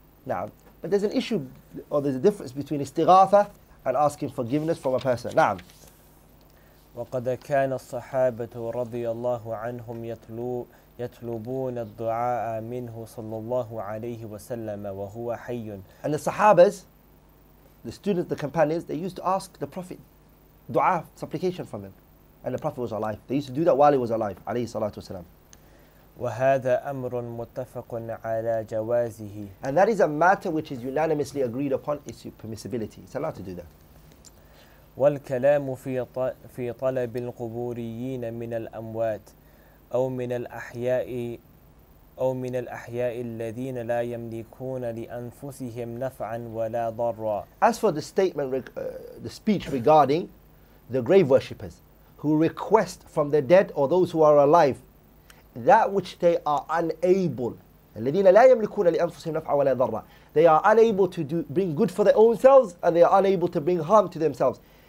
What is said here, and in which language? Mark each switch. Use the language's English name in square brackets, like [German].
[English] Now, but there's an issue, or there's a difference between istighatha and asking forgiveness from a person. Now, [Arabic] وقد كان الصحابة رضي الله عنهم يطلبون الدعاء منه صلى الله عليه وسلم وهو حي. [English] And the Sahabas, the students, the companions, they used to ask the Prophet dua, supplication from him. And the Prophet was alive. They used to do that while he was alive, عليه الصلاة والسلام. [Arabic] وهذا أمر متفق على جوازه. [English] And that is a matter which is unanimously agreed upon, its permissibility. It's allowed to do that. [Arabic] والكلام في طلب القبوريين من الأموات أو من الأحياء الذين لا يملكون لأنفسهم نفعا ولا ضرا. [English] As for the statement, the speech regarding the grave worshippers who request from the dead or those who are alive that which they are unable, [Arabic] الَّذِينَ لَا يَمْلِكُونَ لِأَنفُسِهِمْ نَفْعَ وَلَا ضَرَّ, [English] they are unable to do bring good for their own selves and they are unable to bring harm to themselves.